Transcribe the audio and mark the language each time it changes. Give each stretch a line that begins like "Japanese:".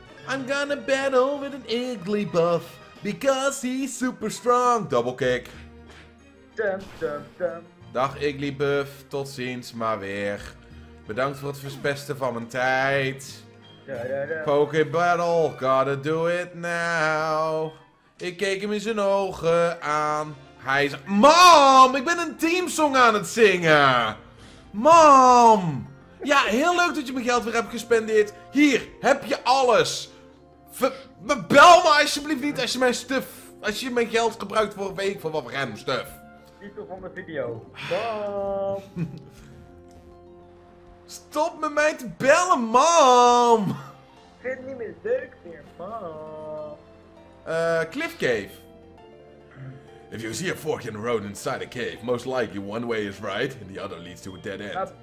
English: I'm gonna battle with an Igglybuff because he's super strong. Double kick. Dum, dum, dum.
Dutch: Dag Igglybuff, tot ziens maar weer. Bedankt voor het verspesten van mijn tijd. Da, da, da.
English: Poké battle, gotta do it now.
Dutch: Ik keek hem in zijn ogen aan. Hij zegt: Mom, ik ben een teamsong aan het zingen. Mom. Ja, heel leuk dat je mijn geld weer hebt gespendeerd. Hier, heb je alles. Bel me alsjeblieft niet als je mijn stuff... Als je mijn geld gebruikt voor een week van wat
English: random stuff.
Dutch: Titel van de video. Mom. Stop met mij te bellen, mom. Ik vind het niet meer leuk meer, mom.
English: Cliff Cave. If you see a fork in the road inside a cave, most likely one way is right, and the other leads to a dead end.